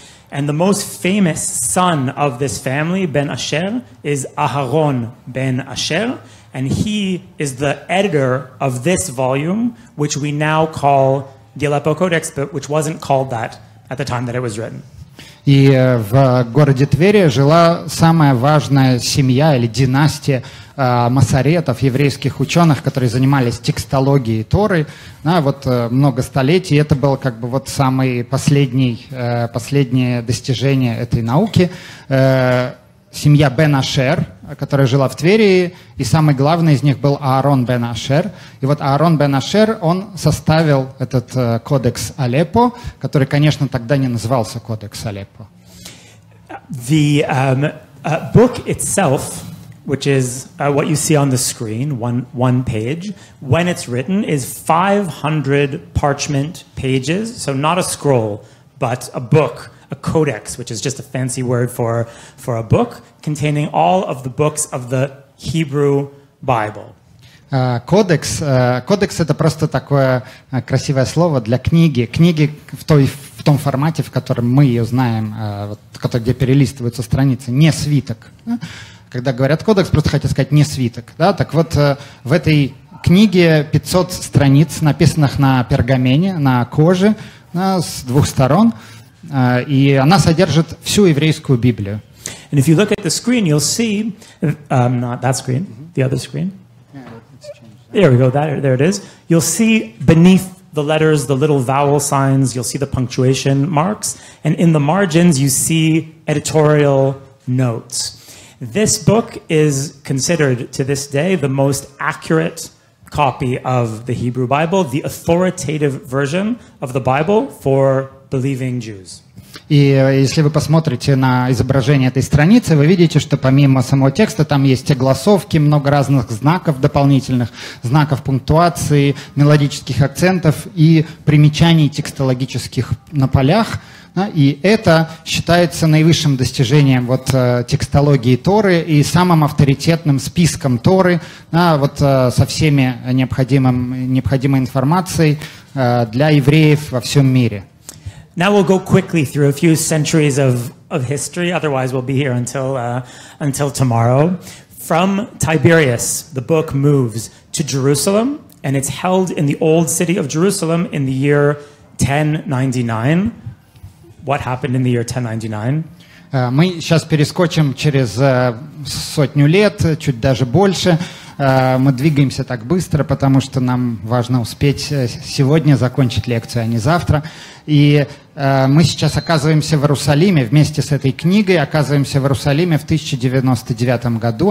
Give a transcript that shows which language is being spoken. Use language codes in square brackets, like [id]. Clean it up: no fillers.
[en] And the most famous son of this family, Ben Asher, is Aharon Ben Asher. And he is the editor of this volume, which we now call the Aleppo Codex, but which wasn't called that at the time that it was written. [ru] И в городе Твери жила самая важная семья или династия масоретов, еврейских ученых, которые занимались текстологией Торы, да, вот много столетий. Это был как бы вот самый последнее достижение этой науки. Семья Бен Ашер, которая жила в Твери, и самый главный из них был Аарон бен Ашер. И вот Аарон бен Ашер, он составил этот кодекс Алеппо, который, конечно, тогда не назывался кодекс Алеппо. [en] The book itself, which is what you see on the screen, one page, when it's written, is 500 parchment pages, so not a scroll, but a book, a codex, which is just a fancy word for a book containing all of the books of the Hebrew Bible. [ru] Кодекс. Кодекс — это просто такое красивое слово для книги. Книги в том формате, в котором мы ее знаем, где перелистываются страницы, не свиток. Когда говорят кодекс, просто хотят сказать не свиток. Да? Так вот, в этой книге 500 страниц, написанных на пергамене, на коже, да, с двух сторон, и она содержит всю еврейскую Библию. [en] And if you look at the screen, you'll see, not that screen, the other screen. There we go, there it is. You'll see beneath the letters, the little vowel signs, you'll see the punctuation marks, and in the margins you see editorial notes. This book is considered to this day the most accurate copy of the Hebrew Bible, the authoritative version of the Bible for believing Jews. [ru] И если вы посмотрите на изображение этой страницы, вы видите, что помимо самого текста там есть огласовки, много разных знаков дополнительных, знаков пунктуации, мелодических акцентов и примечаний текстологических на полях. Да, и это считается наивысшим достижением вот, текстологии Торы и самым авторитетным списком Торы, да, вот, со всеми необходимой информацией для евреев во всем мире. [en] Now we'll go quickly through a few centuries of history, otherwise we'll be here until tomorrow. From Tiberias, the book moves to Jerusalem, and it's held in the old city of Jerusalem in the year 1099. What happened in the year 1099? [ru] Мы сейчас перескочим через сотню лет, чуть даже больше. Мы двигаемся так быстро, потому что нам важно успеть сегодня закончить лекцию, а не завтра. И мы сейчас оказываемся в Иерусалиме вместе с этой книгой, оказываемся в Иерусалиме в 1099 году.